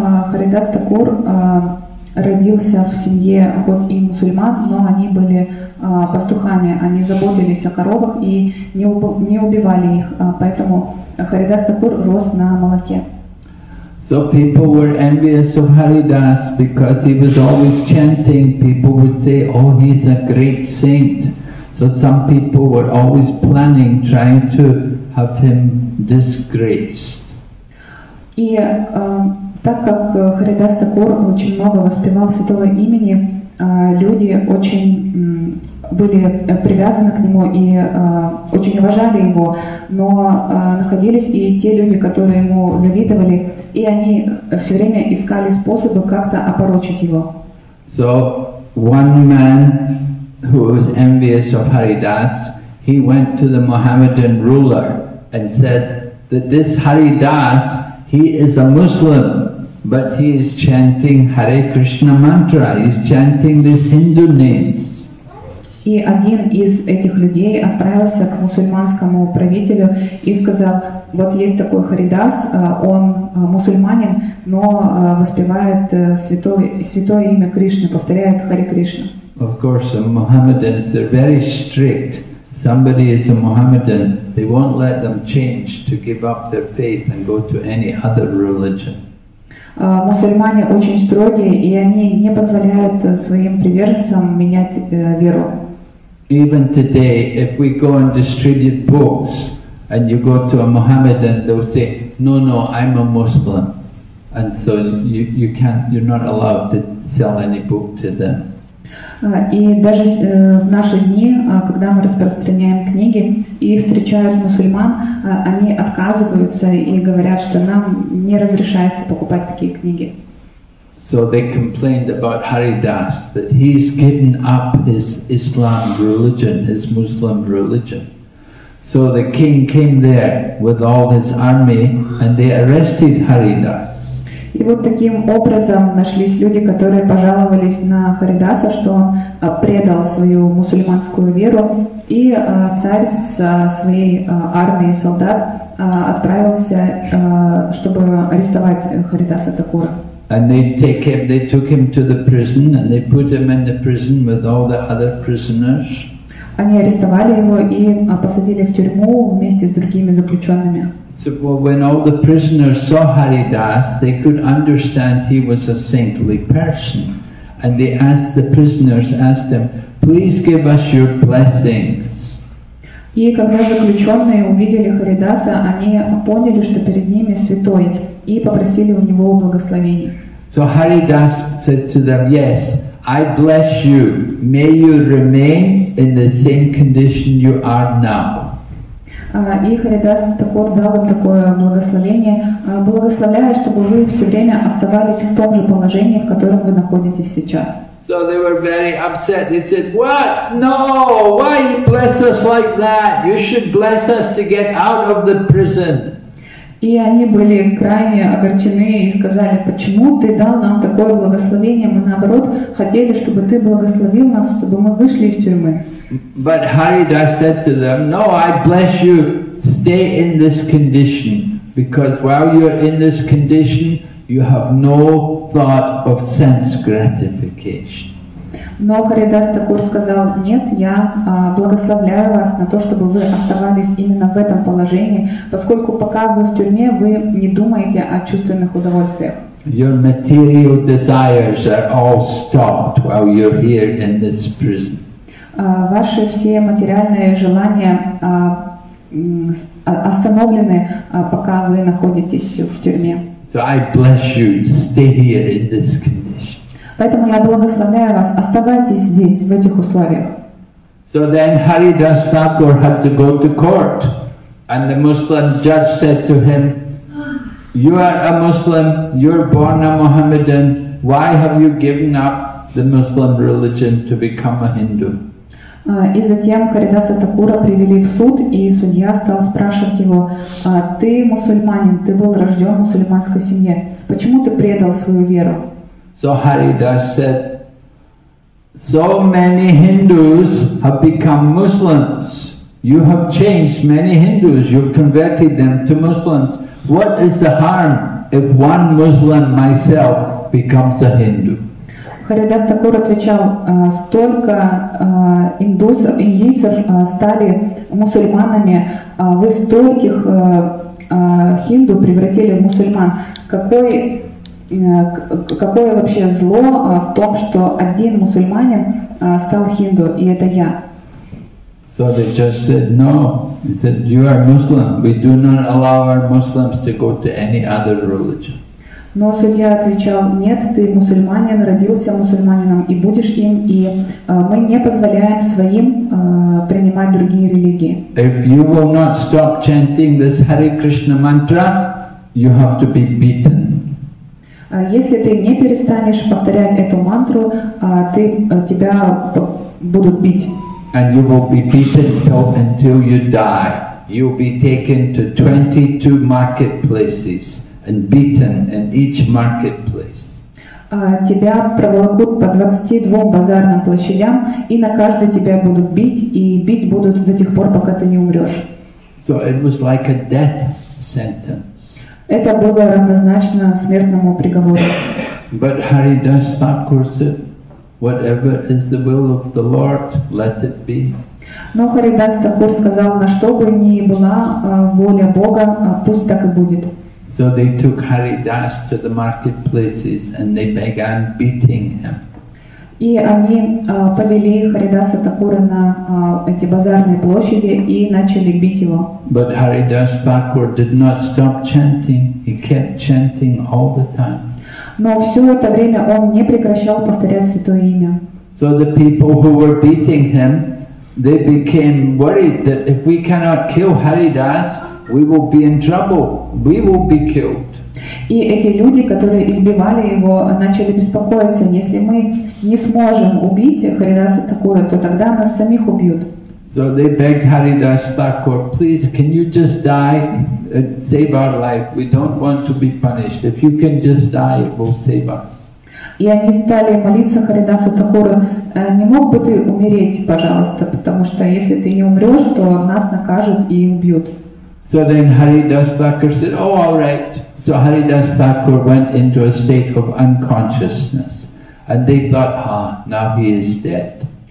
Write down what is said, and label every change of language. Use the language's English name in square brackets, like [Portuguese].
[Russian] Харидас Такур родился в семье хоть и мусульман, но они были пастухами, они заботились о коровах и не убивали их, поэтому Харидас Такур рос на молоке. [English] So people were envious of Haridas because he was always chanting. People would say, oh, he's a great saint. So some people were always planning, trying to have him disgraced. [Russian] И так как Харидас Такур очень много воспевал святого имени, люди очень были привязаны к нему и очень уважали его, но находились и те люди, которые ему завидовали, и они все время искали способы как-то опорочить его. [English] So one man who was envious of Haridas, he went to the Mohammedan ruler and said that this Haridas, he is a Muslim, but he is chanting Hare Krishna mantra. He is chanting this Hindu name. [Russian] И один из этих людей отправился к мусульманскому правителю и сказал, вот есть такой Харидас, он мусульманин, но воспевает святое имя Кришны, повторяет Харе Кришна. [English] Of course, Mohammedans are very strict. Somebody is a Mohammedan, they won't let them change to give up their faith and go to any other religion. [Russian] Мусульмане очень строгие, и они не позволяют своим приверженцам менять веру. [English] Even today, if we go and distribute books, and you go to a Mohammedan, they'll say, "No, no, I'm a Muslim," and so you can't, you're not allowed to sell any book to them. [Russian] И даже в наши дни, когда мы распространяем книги и встречают мусульман, они отказываются и говорят, что нам не разрешается покупать такие книги. [English] So they complained about Haridas, that he's given up his Islam religion, his Muslim religion. So the king came there with all his army and they arrested Haridas. [Russian] И вот таким образом нашлись люди, которые пожаловались на Харидаса, что он предал свою мусульманскую веру, и царь со своей армией солдат отправился, чтобы арестовать Харидаса Такура. [English] And they took him to the prison and they put him in the prison with all the other prisoners. [Russian] Они арестовали его и посадили в тюрьму вместе с другими заключенными. [English] So, well, when all the prisoners saw Haridas, they could understand he was a saintly person. And they asked the prisoners, asked him, "Please give us your blessings." [Russian] И когда заключенные увидели Харидаса, они поняли, что перед ними святой, и попросили у него благословения. [English] So Haridas said to them, "Yes, I bless you. May you remain in the same condition you are now." [Russian] И Харидас Такур дал им такое благословение. Благословляю, чтобы вы все время оставались в том же положении, в котором вы находитесь сейчас. [English] So they were very upset. They said, "What? No! Why you bless us like that? You should bless us to get out of the prison." [Russian] И они были крайне огорчены и сказали, почему ты дал нам такое благословение, мы наоборот хотели, чтобы ты благословил нас, чтобы мы вышли из тюрьмы. [English] But Haridas said to them, "No, I bless you, stay in this condition, because while you're in this condition, you have no thought of sense gratification." [Russian] Но Харидас Такур сказал, нет, я благословляю вас на то, чтобы вы оставались именно в этом положении, поскольку пока вы в тюрьме, вы не думаете о чувственных удовольствиях. [English] Your material desires are all stopped while you're here in this prison. [Russian] Ваши все материальные желания остановлены, пока вы находитесь в тюрьме. [English] So I bless you, stay here in this condition. [Russian] Поэтому я благословляю вас, оставайтесь здесь, в этих условиях. [English] So then Haridas Thakur had to go to court. And the Muslim judge said to him, "You are a Muslim, you're born a Mohammedan, why have you given up the Muslim religion to become a Hindu?" [Russian] И затем Харидаса Такура привели в суд, и судья стал спрашивать его, "Ты мусульманин, ты был рожден в мусульманской семье, почему ты предал свою веру?" [English] So Haridas said, "So many Hindus have become Muslims. You have changed many Hindus. You've converted them to Muslims. What is the harm if one Muslim myself becomes a Hindu?" [Russian] Харидас Такур отвечал, "Столько индийцев стали мусульманами. Вы стольких хинду превратили в мусульман. Какое вообще зло в том, что один мусульманин стал хинду, и это я?" [English] So the judge said, "No." He said, "You are Muslim. We do not allow our Muslims to go to any other religion." [Russian] Но судья отвечал, "Нет, ты мусульманин, родился мусульманином и будешь им, и мы не позволяем своим принимать другие религии." [English] If you will not stop chanting this Hare Krishna mantra, you have to be beaten. [Russian] Если ты не перестанешь повторять эту мантру, тебя будут бить. [English] And you will be beaten until you die. You'll be taken to 22 marketplaces and beaten in each marketplace. [Russian] Тебя проволокут по 22 базарным площадям, и на каждой тебя будут бить, и бить будут до тех пор, пока ты не умрешь. [English] So it was like a death sentence. [Russian] Это было равнозначно смертному приговору. [English] But Haridas Thakur said, "Whatever is the will of the Lord, let it be." [Russian] Но Харидас Такур сказал, на что бы ни была воля Бога, пусть так и будет. [English] So they took Haridas to the marketplaces and they began beating him. [Russian] И они повели Харидаса Такура на эти базарные площади и начали бить его. [English] But Haridas Thakur did not stop chanting. He kept chanting all the time. [Russian] Но все это время он не прекращал повторять святое имя. [English] So the people who were beating him, they became worried that if we cannot kill Haridas, we will be in trouble. We will be killed. [Russian] И эти люди, которые избивали его, начали беспокоиться, если мы не сможем убить Харидаса Такура, то тогда нас самих убьют. [English] So they begged Haridasa Thakur, please, can you just die and save our life? We don't want to be punished. If you can just die, it will save us. [Russian] И они стали молиться Харидасу Такуру, не мог бы ты умереть, пожалуйста, потому что если ты не умрешь, то нас накажут и убьют. [English] So then Haridasa Thakur said, oh, all right. So Haridas Thakur went into a state of unconsciousness, and they thought, ah, now he is dead.